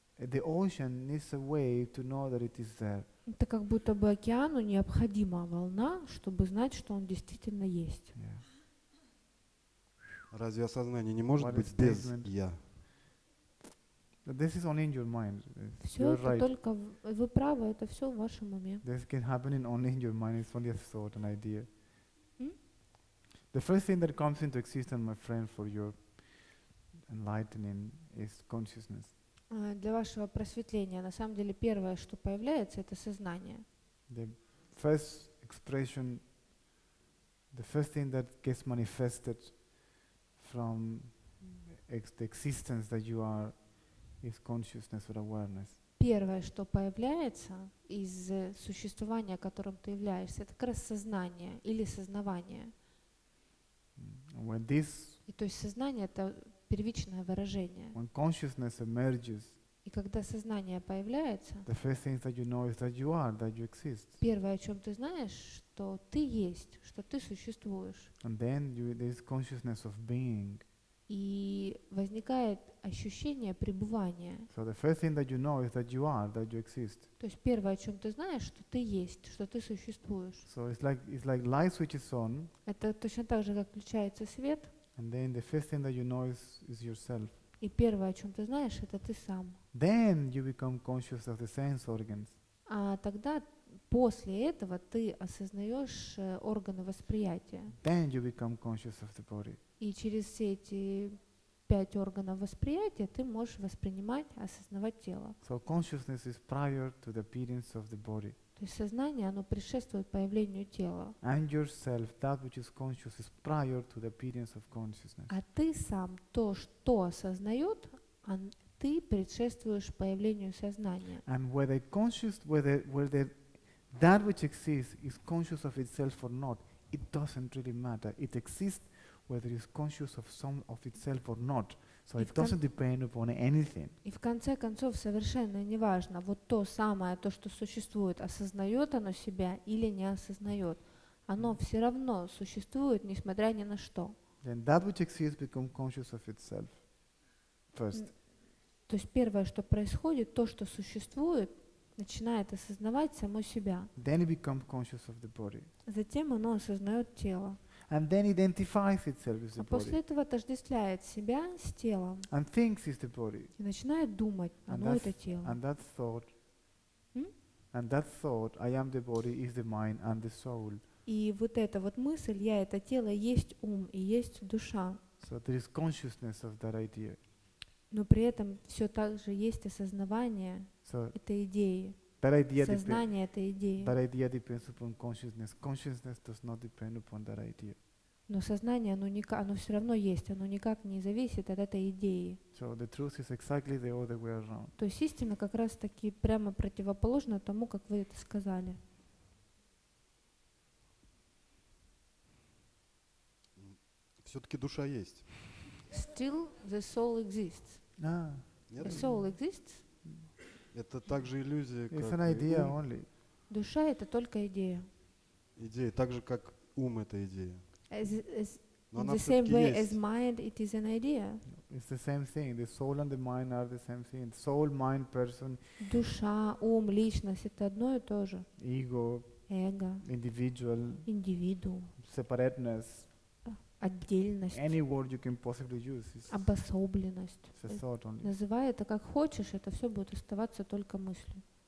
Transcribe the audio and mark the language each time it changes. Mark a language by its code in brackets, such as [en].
[en] The ocean needs a wave to know that it is there. [ru] Это как будто бы океану необходима волна, чтобы знать, что он действительно есть. [en] Yeah. [ru] Разве осознание не может быть без я? [en] This is only in your mind. [ru] Все это [en] right. [ru] Только вы правы, это все в вашем уме. [en] This can happen only in your mind. It's only a thought, an idea. The first thing that comes into existence, my friend, for your enlightening, is consciousness. [ru] Для вашего просветления, на самом деле, первое, что появляется, это сознание. [en] The first expression, the first thing that gets manifested from the existence that you are, is consciousness or awareness. [ru] Первое, что появляется из существования, которым ты являешься, это как раз сознание или сознавание. [en] When this, [ru] и то есть сознание это первичное выражение. [en] When consciousness emerges, [ru] и когда сознание появляется, [en] the first thing that you know is that you are, that you exist. [ru] Первое, о чем ты знаешь, что ты есть, что ты существуешь. [en] And then there is consciousness of being. [ru] И возникает ощущение пребывания. [en] So the first thing that you know is that you are, that you exist. [ru] То есть первое, о чем ты знаешь, что ты есть, что ты существуешь. [en] So it's like light switches on. [ru] Это точно так же, как включается свет. [en] And then the first thing that you know is yourself. [ru] И первое, о чем ты знаешь, это ты сам. [en] Then you become conscious of the sense organs. [ru] А тогда после этого ты осознаешь органы восприятия. [en] Then you become conscious of the body. [ru] И через все эти 5 органов восприятия ты можешь воспринимать, осознавать тело. [en] So consciousness is prior to the appearance of the body. [ru] То есть сознание, оно предшествует появлению тела. [en] And yourself, that which is conscious, is prior to the appearance of consciousness. [ru] А ты сам, то, что осознает, ты предшествуешь появлению сознания. [en] And whether conscious, whether that which exists is conscious of itself or not, it doesn't really matter. It exists whether it's conscious of some of itself or not. So it doesn't depend upon anything. [ru] И в конце концов совершенно не важно, вот то самое, то, что существует, осознает оно себя или не осознает. оно все равно существует, несмотря ни на что. [en] And that which exists becomes conscious of itself first. [ru] То есть первое, что происходит, то, что существует, начинает осознавать само себя. [en] Then it becomes conscious of the body. [ru] Затем оно осознает тело. [en] And then identifies itself with the body. [ru] А после этого отождествляет себя с телом. [en] And thinks it's the body. [ru] И начинает думать, оно это тело. [en] And that thought. And that thought, I am the body, is the mind and the soul. [ru] И вот эта вот мысль, я это тело, есть ум и есть душа. [en] So there is consciousness of that idea. [ru] Но при этом все так же есть осознавание этой идеи. [en] That idea [ru] сознание этой идеи. [en] That idea depends upon consciousness. Consciousness does not depend upon that idea. [ru] Но сознание, оно все равно есть, оно никак не зависит от этой идеи. [en] So the truth is exactly the other way around. [ru] То есть истина как раз таки прямо противоположна тому, как вы это сказали. Все-таки душа есть. [en] Still the soul exists. Ah. The soul exists. [ru] Это также иллюзия, как [en] It's an idea only. [ru] Душа это только идея. Идея, так же как ум это идея. [en] The same way as mind, it is an idea. It's the same thing. The soul and the mind are the same thing. Soul, mind, person. [ru] Душа, ум, личность это одно и то же. [en] Ego. [ru] Эго. [en] Individual. [ru] Индивидуум. [en] Separateness. [ru] Отдельность. [en] Any word you can possibly use. [ru] Обособленность. [en] It's a thought only. [ru] Называй это как хочешь, это все будет оставаться только мыслью.